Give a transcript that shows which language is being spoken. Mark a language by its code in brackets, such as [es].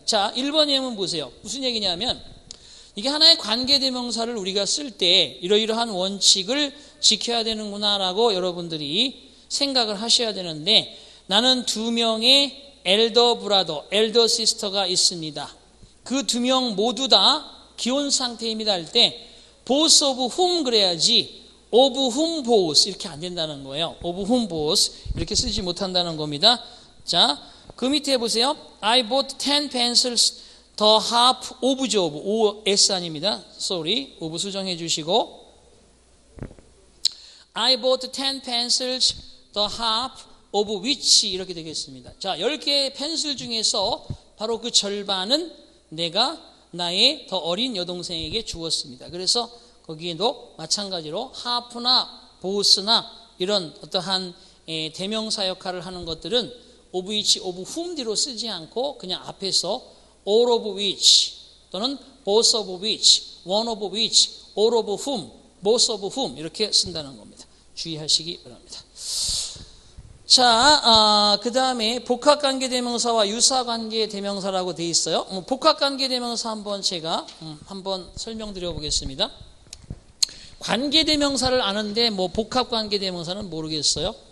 [ko] 자, 1번 예문 보세요. 무슨 얘기냐면 이게 하나의 관계대명사를 우리가 쓸 때 이러이러한 원칙을 지켜야 되는구나라고 여러분들이 생각을 하셔야 되는데 나는 두 명의 엘더 브라더, 엘더 시스터가 있습니다. 그 두 명 모두 다 기혼 상태입니다 할 때 [en] both of whom [ko] 그래야지 [en] of whom both [ko] 이렇게 안 된다는 거예요. [en] of whom both [ko] 이렇게 쓰지 못한다는 겁니다. 자, 그 밑에 보세요. [en] I bought 10 pencils the half of job. [ko] OS 아닙니다. [en] Sorry. of [ko] 수정해 주시고 [en] I bought 10 pencils the half of which [ko] 이렇게 되겠습니다. 자, 10개의 펜슬 중에서 바로 그 절반은 내가 나의 더 어린 여동생에게 주었습니다. 그래서 거기에도 마찬가지로 half나 both나 이런 어떠한 대명사 역할을 하는 것들은 [en] of which, of whom [ko] 뒤로 쓰지 않고 그냥 앞에서 [en] all of which [ko] 또는 [en] both of which, one of which, all of whom, both of whom [ko] 이렇게 쓴다는 겁니다. 주의하시기 바랍니다. 자, 그 다음에 복합관계대명사와 유사관계대명사라고 되어 있어요. 복합관계대명사 한번 제가 한번 설명드려 보겠습니다. 관계대명사를 아는데 뭐 복합관계대명사는 모르겠어요.